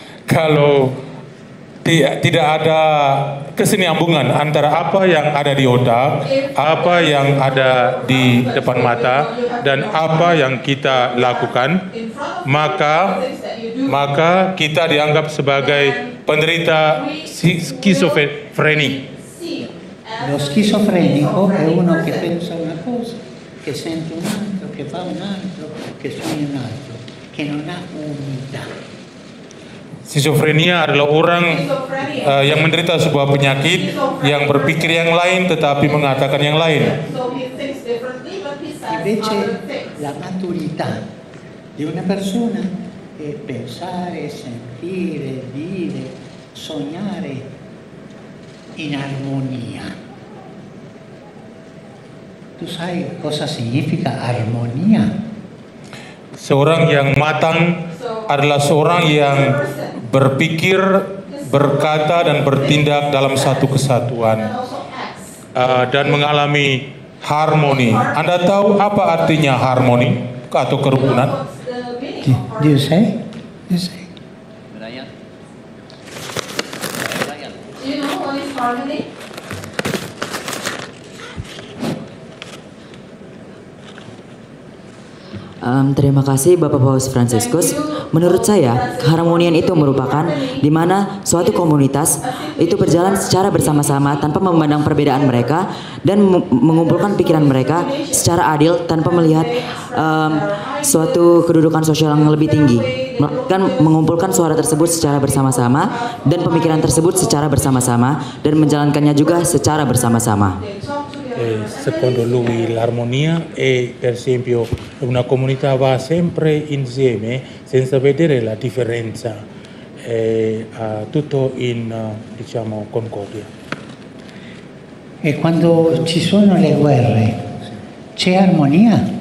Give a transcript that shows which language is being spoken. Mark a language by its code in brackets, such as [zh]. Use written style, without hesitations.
[id] Kalau tidak ada kesinambungan antara apa yang ada di otak, apa yang ada di depan mata, dan apa yang kita lakukan, maka kita dianggap sebagai penderita skizofreni. [it] Lo schizofrenico è uno che pensa una cosa, che sente un altro, che fa un altro, che sogna un altro, che non ha unità. [id] Skizofrenia adalah orang yang menderita sebuah penyakit yang berpikir yang lain tetapi mengatakan yang lain. [it] Invece la maturità di una persona è pensare, sentire, dire, sognare in armonia. Tu sai cosa significa armonia? [id] Seorang yang matang adalah seorang yang berpikir, berkata, dan bertindak dalam satu kesatuan dan mengalami harmoni. Anda tahu apa artinya harmoni atau kerukunan? [en] Do you say? Do you know what is harmony? [id] Terima kasih Bapak Paus Franciscus. Menurut saya, keharmonian itu merupakan di mana suatu komunitas itu berjalan secara bersama-sama tanpa memandang perbedaan mereka dan mengumpulkan pikiran mereka secara adil tanpa melihat suatu kedudukan sosial yang lebih tinggi. Dan mengumpulkan suara tersebut secara bersama-sama dan pemikiran tersebut secara bersama-sama dan menjalankannya juga secara bersama-sama. [it] Secondo lui l'armonia è per esempio una comunità va sempre insieme senza vedere la differenza, è tutto in diciamo concordia. E quando ci sono le guerre c'è armonia?